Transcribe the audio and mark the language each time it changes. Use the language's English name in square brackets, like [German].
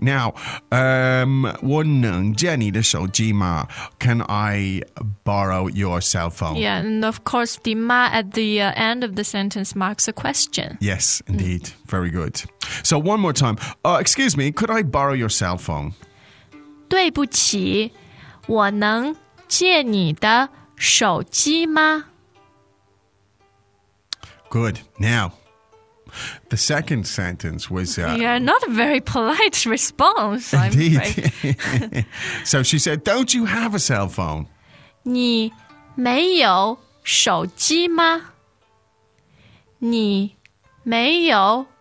[English] Now, [Chinese] 我能借你的手机吗? [English] Can I borrow your cell phone? Yeah, and of course, the ma at the end of the sentence marks a question. Yes, indeed. Mm. Very good. So one more time. Excuse me, could I borrow your cell phone? [Chinese] 对不起,我能借你的手机吗? [English] Good. Now, the second sentence was... not a very polite response. Indeed. So she said, don't you have a cell phone? [Chinese] 你没有手机吗? 你没有手机吗?